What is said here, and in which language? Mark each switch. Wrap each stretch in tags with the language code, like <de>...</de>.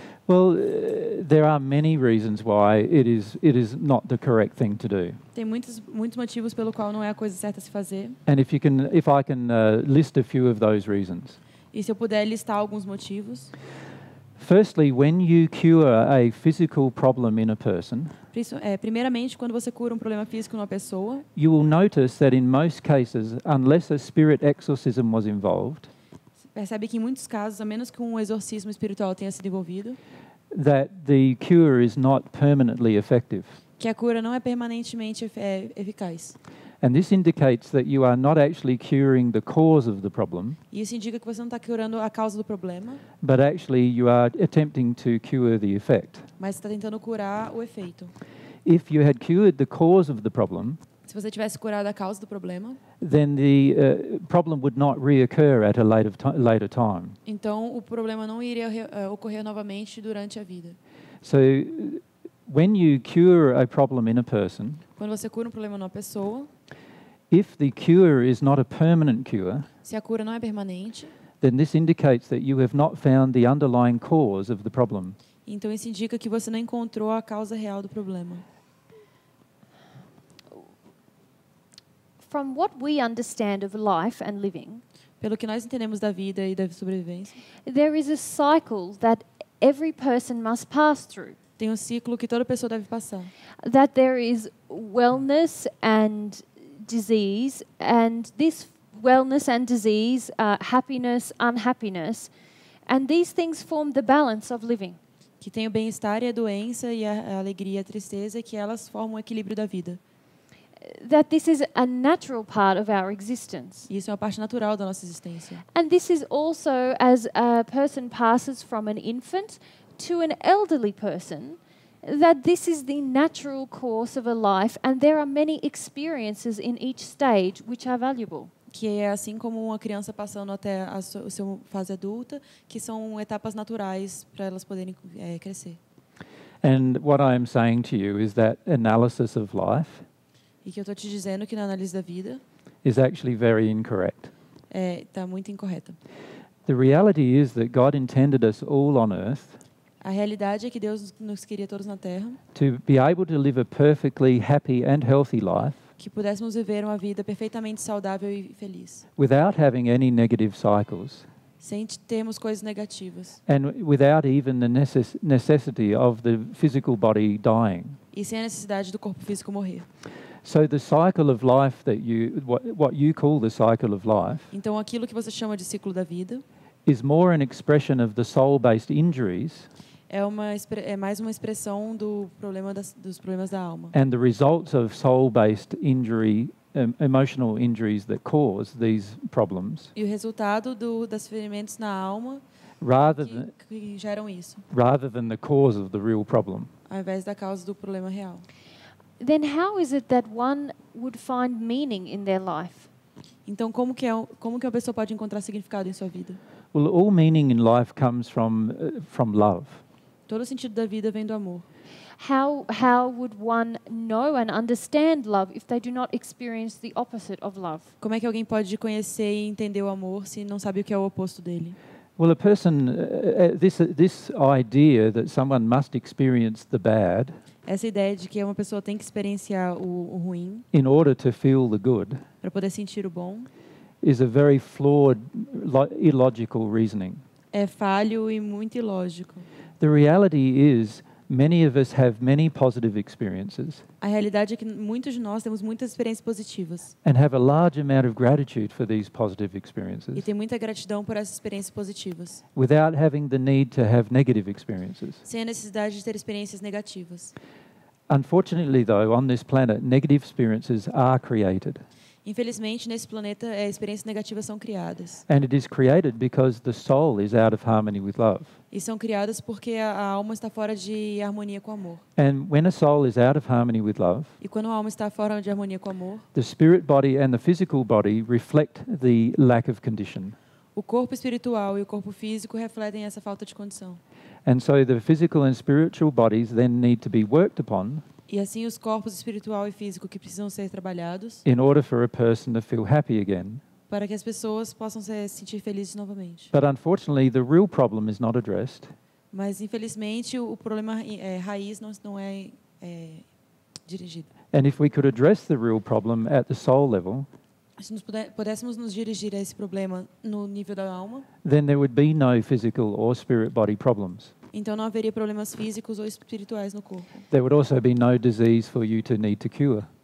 <en>Well, there are many reasons why it is not the correct thing to do.</en> <pt>Tem muitos motivos pelo qual não é a coisa certa a se fazer.</pt> <en>And if I can list a few of those reasons.</en> <pt>E se eu puder listar alguns motivos.</pt> <en>Firstly, when you cure a physical problem in a person,</en> <pt>primeiramente, quando você cura problema físico numa pessoa,</pt> <en>you will notice that in most cases, unless a spirit exorcism was involved,</en> <pt>percebe que em muitos casos, a menos que exorcismo espiritual tenha sido envolvido,</pt> <en>that the cure is not permanently effective.</en> <pt>Que a cura não é permanentemente eficaz.</pt> <en>And this indicates that you are not actually curing the cause of the problem.</en> <pt>Isso indica que você não está curando a causa do problema.</pt> <en>But actually you are attempting to cure the effect.</en> <pt>Mas está tentando curar o efeito.</pt> <en>If you had cured the cause of the problem,</en> <pt>se você tivesse curado a causa do problema,</pt> <en>then the problem would not reoccur at a later time.</en> <pt>Então o problema não iria ocorrer novamente durante a vida.</pt> <en>So when you cure a problem in a person,</en> <pt>quando você cura problema numa pessoa,</pt> <en>if the cure is not a permanent cure,</en> <pt>se a cura não é permanente,</pt> <en>then this indicates that you have not found the underlying cause of the problem.</en> <pt>Então isso indica que você não encontrou a causa real do problema.</pt> <en>From what we understand of life and living,</en> <pt>pelo que nós entendemos da vida e da sobrevivência,</pt> <en>there is a cycle that every person must pass through.</en> <pt>Tem ciclo que toda pessoa deve passar.</pt> <en>That there is wellness and disease, and this wellness and disease, happiness, unhappiness, and these things form the balance of living.</en> <pt>Que tem o bem-estar e a doença, e a alegria e a tristeza, que elas formam o equilíbrio da vida.</pt> <en>That this is a natural part of our existence.</en> <pt>Isso é uma parte natural da nossa existência.</pt> <en>And this is also as a person passes from an infant to an elderly person, that this is the natural course of a life, and there are many experiences in each stage which are valuable.</en> <pt>Que é assim como uma criança passando até a sua fase adulta, que são etapas naturais para elas poderem crescer.</pt> <en>And what I am saying to you is that analysis of life,</en> <pt>e que eu tô te dizendo que na análise da vida,</pt> <en>is actually very incorrect.</en> <pt>Tá muito incorreta.</pt> <en>The reality is that God intended us all on earth.</en> <pt>A realidade é que Deus nos queria todos na Terra.</pt> <en>To be able to live a perfectly happy and healthy life.</en> <pt>Que pudéssemos viver uma vida perfeitamente saudável e feliz.</pt> <en>Without having any negative cycles.</en> <pt>Sem termos coisas negativas.</pt> <en>And without even the necessity of the physical body dying.</en> <pt>E sem a necessidade do corpo físico morrer.</pt> <en>So the cycle of life that you what you call the cycle of life.</en> <pt>Então aquilo que você chama de ciclo da vida.</pt> <en>is more an expression of the soul-based injuries.</en> <pt>É mais uma expressão do problema dos problemas da alma.</pt> <en>And the results of soul-based injury, emotional injuries that cause these problems.</en> <pt>E o resultado dos ferimentos na alma.</pt> <en>Rather than</en> <pt>que geram isso.</pt> <en>Rather than the cause of the real problem.</en> <pt>Ao invés da causa do problema real.</pt> <en>Then how is it that one would find meaning in their life?</en> <pt>Então como que a pessoa pode encontrar significado em sua vida?</pt> <en>Well, all meaning in life comes from love.</en> <pt>Todo o sentido da vida vem do amor.</pt> <en>How would one know and understand love if they do not experience the opposite of love?</en> <pt>Como é que alguém pode conhecer e entender o amor se não sabe o que é o oposto dele?</pt> <en>Well, a person this idea that someone must experience the bad.</en> <pt>Essa ideia de que uma pessoa tem que experienciar o ruim.</pt> <en>In order to feel the good.</en> <pt>Para poder sentir o bom.</pt> <en>Is a very flawed, illogical reasoning.</en> <pt>É falho e muito ilógico.</pt> <en>The reality is many of us have many positive experiences.</en> <pt>A realidade é que muitos de nós temos muitas experiências positivas.</pt> <en>And have a large amount of gratitude for these positive experiences.</en> <pt>E tem muita gratidão por essas experiências positivas.</pt> <en>Without having the need to have negative experiences.</en> <pt>Sem a necessidade de ter experiências negativas.</pt> <en>Unfortunately though, on this planet, negative experiences are created.</en> <pt>Infelizmente, nesse planeta, experiências negativas são criadas.</pt> <en>And it is created because the soul is out of harmony with love.</en> <pt>E são criadas porque a alma está fora de harmonia com o amor.</pt> <en>And when a soul is out of harmony with love,</en> <pt>e quando a alma está fora de harmonia com o amor,</pt> <en>the spirit body and the physical body reflect the lack of condition.</en> <pt>O corpo espiritual e o corpo físico refletem essa falta de condição.</pt> <en>And so the physical and spiritual bodies then need to be worked upon.</en> <pt>E assim os corpos espiritual e físico que precisam ser trabalhados.</pt> <en>In order for a person to feel happy again.</en> <pt>Para que as pessoas possam se sentir felizes novamente.</pt> <en>But unfortunately, the real problem is not addressed.</en> <pt>Mas infelizmente o problema raiz não é dirigido.</pt> <en>And if we could address the real problem at the soul level.</en> <pt>Se nós pudéssemos nos dirigir a esse problema no nível da alma.</pt> <en>Then there would be no physical or spirit body problems.</en> <pt>Então não haveria problemas físicos ou espirituais no corpo.</pt> <en>There would also be no disease for you to need to cure.</en>